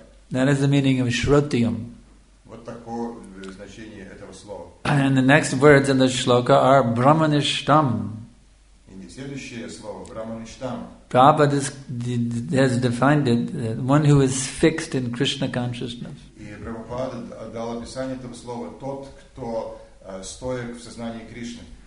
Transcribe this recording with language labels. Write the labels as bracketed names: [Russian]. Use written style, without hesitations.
[English] That is the meaning of Shrutiyam. [Russian] Вот такое значение этого слова. [English] And the next words in the shloka are Brahmanishtam. [Russian] И следующее слово Brahmanishtam. [English] Prabhupada has defined it one who is fixed in Krishna consciousness. [Russian] И Прабхупада дал описание этого слова тот, кто стоек в сознании Кришны.